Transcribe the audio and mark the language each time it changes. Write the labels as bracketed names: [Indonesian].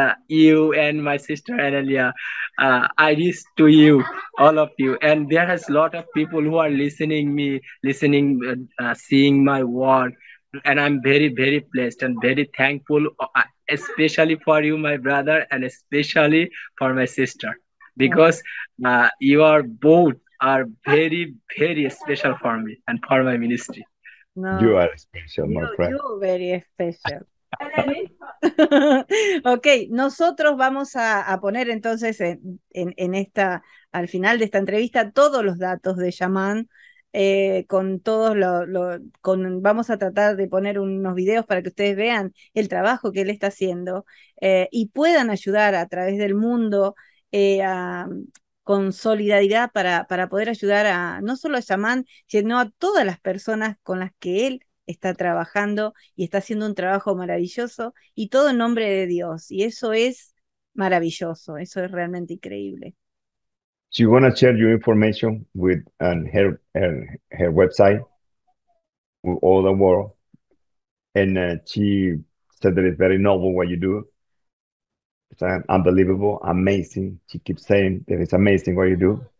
[English] You and my sister Analia, I reach to you, all of you, and there has a lot of people who are listening me, listening, seeing my word, and I'm very blessed and very thankful, especially for you, my brother, and especially for my sister, because you are both are very special for me and for my ministry. You are special, my friend. You very special. [Spanish] Ok, nosotros vamos a poner entonces en esta, al final de esta entrevista, todos los datos de Yaman, con todos vamos a tratar de poner unos videos para que ustedes vean el trabajo que él está haciendo, y puedan ayudar a través del mundo, con solidaridad para poder ayudar a no solo a Yaman, sino a todas las personas con las que él está trabajando y está haciendo un trabajo maravilloso y todo en nombre de Dios. Y eso es maravilloso, eso es realmente increíble. [English] Do you want to share your information with her website with all the world? And she said that it's very noble what you do. It's unbelievable, amazing. She keeps saying that it's amazing what you do.